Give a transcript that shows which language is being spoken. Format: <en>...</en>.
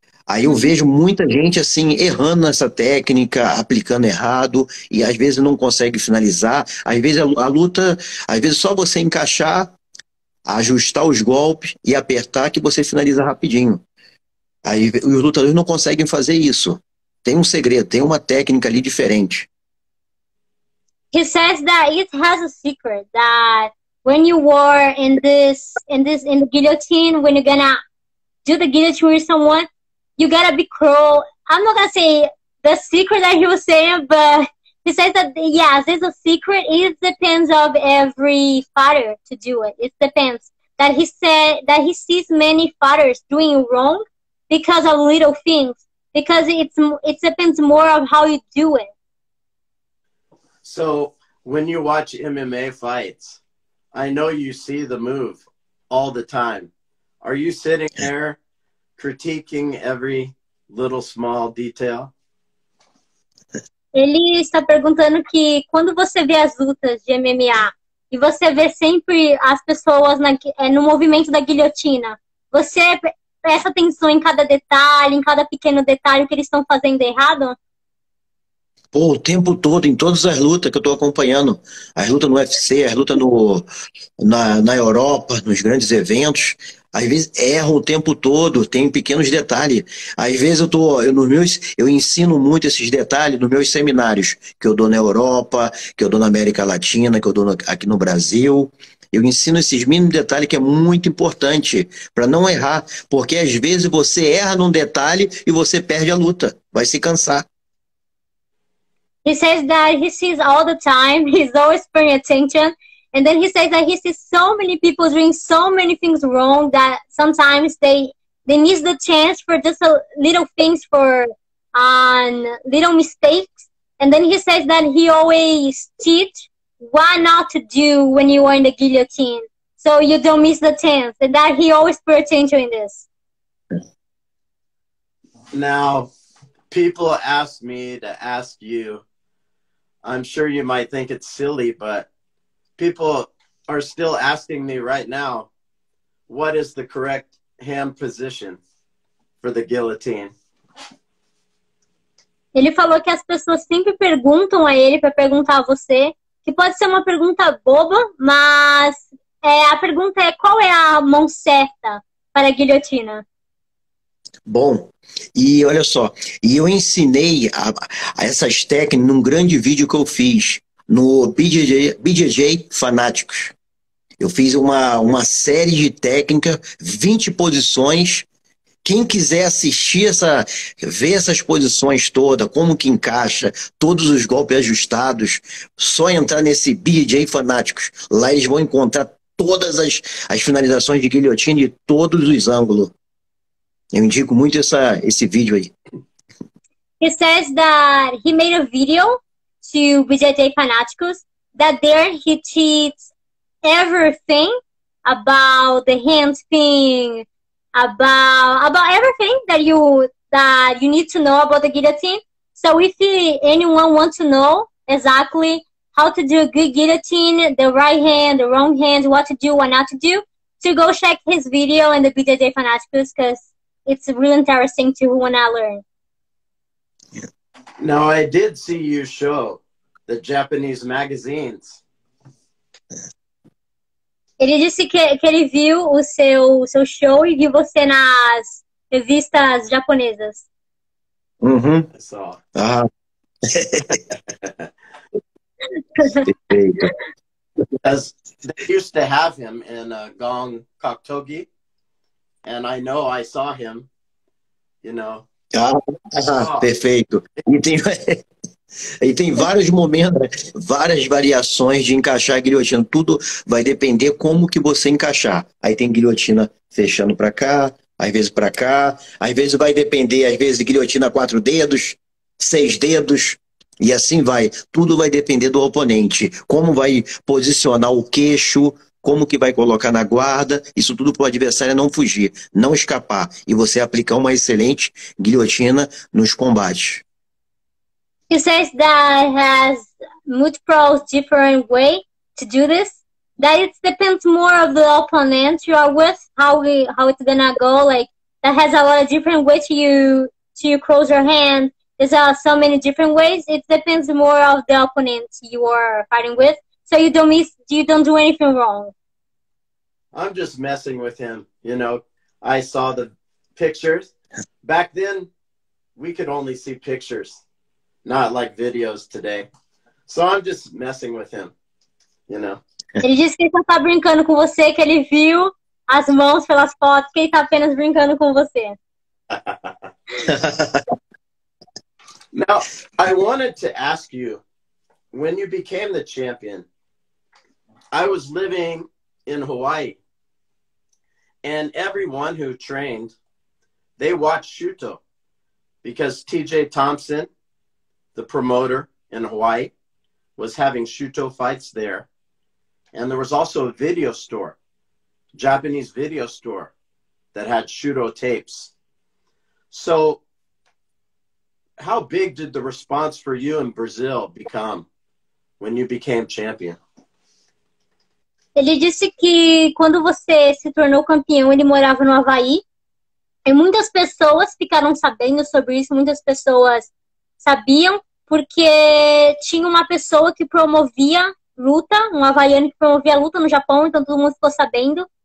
<pt>Aí eu vejo muita gente assim, errando nessa técnica, aplicando errado, e às vezes não consegue finalizar, às vezes a luta, às vezes só você encaixar, ajustar os golpes e apertar que você finaliza rapidinho. Aí os lutadores não conseguem fazer isso. Tem um segredo, tem uma técnica ali diferente.</pt> <en>He says that it has a secret, that when you were in the guillotine, when you're gonna do the guillotine with someone, you gotta be cruel. I'm not gonna say the secret that he was saying, but he says that, yes, it's a secret. It depends of every father to do it. It depends. That he said that he sees many fathers doing wrong because of little things, because it depends more of how you do it. So when you watch MMA fights, I know you see the move all the time. Are you sitting there critiquing every little small detail?</en> <pt>Ele está perguntando que quando você vê as lutas de MMA e você vê sempre as pessoas no movimento da guilhotina, você presta atenção em cada detalhe, em cada pequeno detalhe que eles estão fazendo errado? Pô, o tempo todo, em todas as lutas que eu estou acompanhando, as lutas no UFC, as lutas na Europa, nos grandes eventos, às vezes erram o tempo todo, tem pequenos detalhes. Às vezes eu ensino muito esses detalhes nos meus seminários, que eu dou na Europa, que eu dou na América Latina, que eu dou aqui no Brasil. Eu ensino esses mínimos detalhes que é muito importante para não errar, porque às vezes você erra num detalhe e você perde a luta, vai se cansar.</pt> <en>He says that he sees all the time, he's always paying attention, and then he says that he sees so many people doing so many things wrong that sometimes they miss the chance for just a little things, for little mistakes. And then he says that he always teach what not to do when you are in the guillotine, so you don't miss the chance, and that he always pays attention in this. Now, people ask me to ask you, I'm sure you might think it's silly, but people are still asking me right now, what is the correct hand position for the guillotine?</en> <pt>Ele falou que as pessoas sempre perguntam a ele, para perguntar a você, que pode ser uma pergunta boba, mas a pergunta é qual é a mão certa para a guilhotina? Bom, e olha só, e eu ensinei essas técnicas num grande vídeo que eu fiz no BJJ Fanáticos. Eu fiz uma série de técnicas, 20 posições. Quem quiser assistir, ver essas posições todas, como que encaixa, todos os golpes ajustados, só entrar nesse BJJ Fanáticos. Lá eles vão encontrar todas as finalizações de guilhotina de todos os ângulos. Eu indico muito esse vídeo aí.</pt> <en>He says that he made a video to BJJ Fanáticos, that there he teaches everything about the hand thing, about everything that you need to know about the guillotine. So if anyone wants to know exactly how to do a good guillotine, the right hand, the wrong hand, what to do, what not to do, to go check his video in the BJJ Fanáticos, because it's really interesting to who wanna learn. Now, I did see you show the Japanese magazines.</en> <pt>Ele disse que ele viu o seu show e viu você nas revistas japonesas. Uhum. Só. Ah.</pt> <en>They used to have him in Gong Koktogi. And I know I saw him, you know.</en> <pt>Ah, perfeito. E tem vários momentos, várias variações de encaixar a guilhotina. Tudo vai depender como que você encaixar. Aí tem guilhotina fechando para cá, às vezes para cá. Às vezes vai depender, às vezes guilhotina 4 dedos, 6 dedos. E assim vai. Tudo vai depender do oponente. Como vai posicionar o queixo, como que vai colocar na guarda, isso tudo para o adversário não fugir, não escapar, e você aplicar uma excelente guilhotina nos combates.</pt> <en>He says that it has multiple different way to do this, that it depends more of the opponent you are with, how it's gonna go, like, that has a lot of different ways to close your hand, there's so many different ways, it depends more of the opponent you are fighting with, so you don't do anything wrong. I'm just messing with him. You know, I saw the pictures. Back then, we could only see pictures, not like videos today. So I'm just messing with him, you know.</en> <pt>Ele disse que ele só tá brincando com você, que ele viu as mãos pelas fotos, que ele tá apenas brincando com você.</pt> <en>Now, I wanted to ask you, when you became the champion, I was living in Hawaii, and everyone who trained, they watched Shuto, because TJ Thompson, the promoter in Hawaii, was having Shuto fights there, and there was also a video store, Japanese video store, that had Shuto tapes. So, how big did the response for you in Brazil become when you became champion?</en> <pt>Ele disse que quando você se tornou campeão, ele morava no Havaí. E muitas pessoas ficaram sabendo sobre isso, muitas pessoas sabiam, porque tinha uma pessoa que promovia luta, um havaiano que promovia luta no Japão, então todo mundo ficou sabendo.</pt>